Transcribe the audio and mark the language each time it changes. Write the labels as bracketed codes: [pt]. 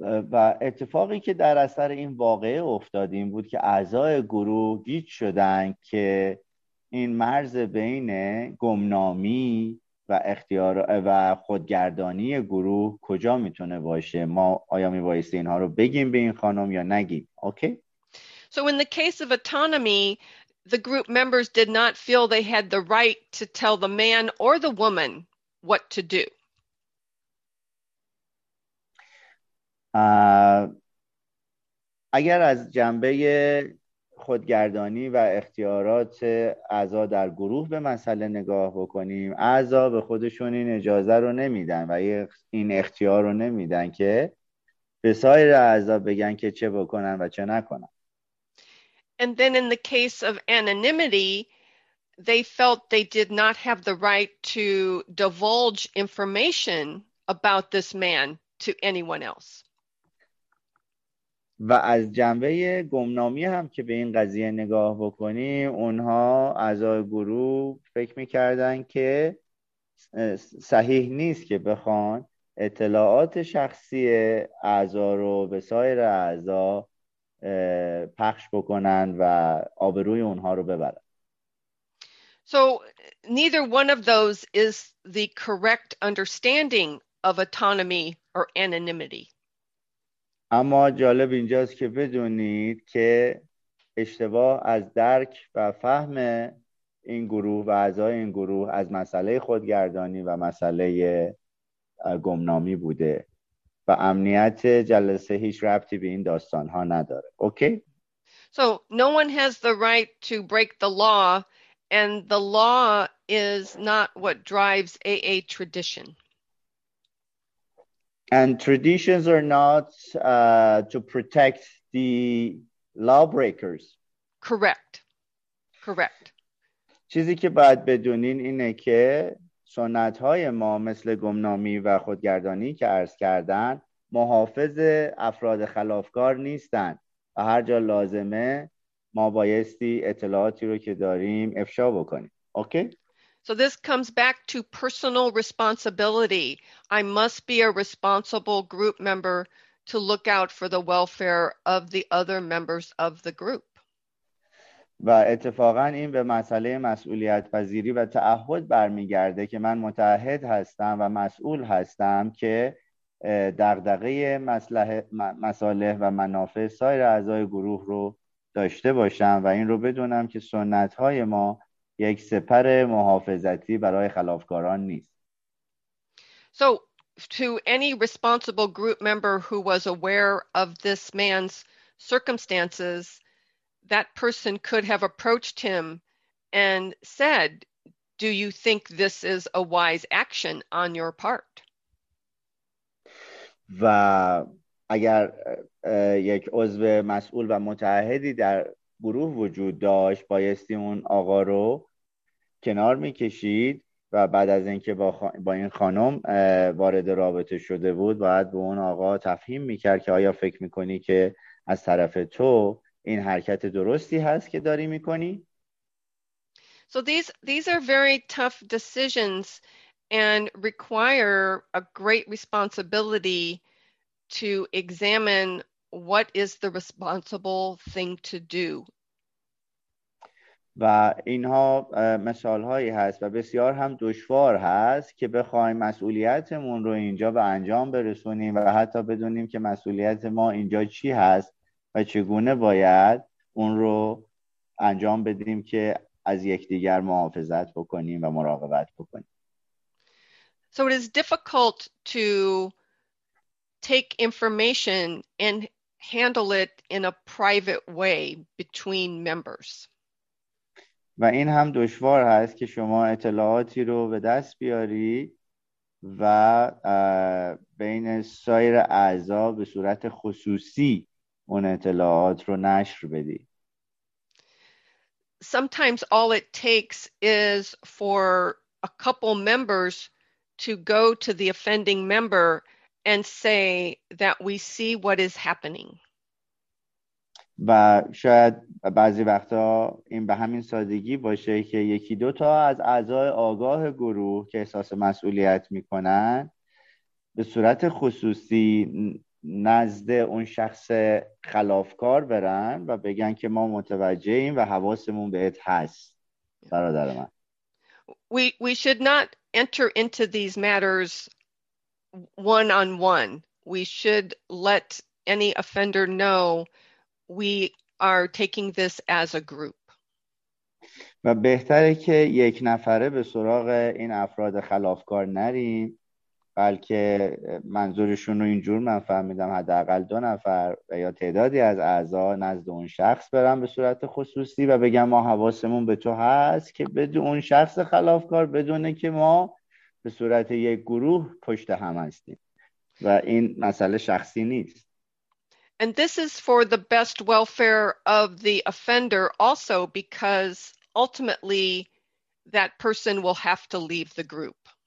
[fa] و اتفاقی که در اثر این واقعه افتاد این بود که اعضای گروه گیج شدن که این مرز بین گمنامی و اختیار و خودگردانی گروه کجا میتونه باشه، ما آیا میبایست اینها رو بگیم به این خانم یا نگیم. اوکی؟ [en] So in the case of autonomy, the group members did not feel they had the right to tell the man or the woman what to do. [fa] اگر از جنبه خودگردانی و اختیارات اعضا در گروه به مسئله نگاه بکنیم، اعضا به خودشون این اجازه رو نمیدن و این اختیار رو نمیدن که به سایر اعضا بگن که چه بکنن و چه نکنن. [en] And then in the case of anonymity, they felt they did not have the right to divulge information about this man to anyone else. [fa] و از جنبه گمنامی هم که به این قضیه نگاه بکنیم، اونها اعضای گروه فکر میکردن که صحیح نیست که بخوان اطلاعات شخصی اعضا رو به سایر اعضا پخش بکنن و آبروی اونها رو ببرن. [en] So neither one of those is the correct understanding of autonomy or anonymity. [fa] اما جالب اینجاست که بدونید که اشتباه از درک و فهم این گروه و اعضای این گروه از مسئله خودگردانی و مسئله گمنامی بوده و امنیت جلسه هیچ ربطی به این داستان ها نداره. [en] Okay? So no one has the right to break the law and the law is not what drives AA tradition. And traditions are not to protect the lawbreakers. Correct. Correct. [fa] چیزی که باید بدونین اینه که سنت‌های ما مثل گمنامی و خودگردانی که عرض کردن محافظ افراد خلافکار نیستن و هر جا لازمه ما بایستی اطلاعاتی رو که داریم افشا بکنیم. [en] Okay? So this comes back to personal responsibility. I must be a responsible group member to look out for the welfare of the other members of the group. [fa] و اتفاقا این به مسئله مسئولیت پذیری و تعهد برمیگرده که من متعهد هستم و مسئول هستم که دغدغه مصالح و منافع سایر اعضای گروه رو داشته باشم و این رو بدونم که سنت های ما یک سپر محافظتی برای خلافکاران نیست. [en] So, to any responsible group member who was aware of this man's circumstances, that person could have approached him and said, "Do you think this is a wise action on your part?" [fa] و اگر یک عضو مسئول و متعهدی در گروه وجود داشت، بایستی اون آقا رو کنار میکشید و بعد از اینکه با این خانم وارد رابطه شده بود باید به اون آقا تفهیم میکرد که آیا فکر میکنی که از طرف تو این حرکت درستی هست که داری میکنی؟ [en] So these are very tough decisions and require a great responsibility to examine what is the responsible thing to do. [fa] و اینها مثال هایی هست و بسیار هم دشوار هست که بخوایم مسئولیتمون رو اینجا به انجام برسونیم و حتی بدونیم که مسئولیت ما اینجا چی هست و چگونه باید اون رو انجام بدیم که از یکدیگر محافظت بکنیم و مراقبت بکنیم. [en] So it is difficult to take information and handle it in a private way between members. [fa] و این هم دشوار هست که شما اطلاعاتی رو به دست بیاری و بین سایر اعضا به صورت خصوصی اون اطلاعات رو نشر بدی. [en] Sometimes all it takes is for a couple members to go to the offending member and say that we see what is happening. [fa] و شاید بعضی وقتا این به همین سادگی باشه که یکی دو تا از اعضای آگاه گروه که احساس مسئولیت میکنن به صورت خصوصی نزد اون شخص خلافکار برن و بگن که ما متوجهیم و حواسمون بهت هست برادر من. [en] We should not enter into these matters one on one. We should let any offender know we are taking this as a group. [fa] و بهتره که یک نفره به سراغ این افراد خلافکار نریم، بلکه منظورشون رو اینجور من فهمیدم حداقل دو نفر و یا تعدادی از اعضا نزد اون شخص برن به صورت خصوصی و بگم ما حواسمون به تو هست، که بدون اون شخص خلافکار بدونه که ما به صورت یک گروه پشت هم هستیم و این مسئله شخصی نیست. [en] And this is for the best welfare of the offender also, because ultimately that person will have to leave the group.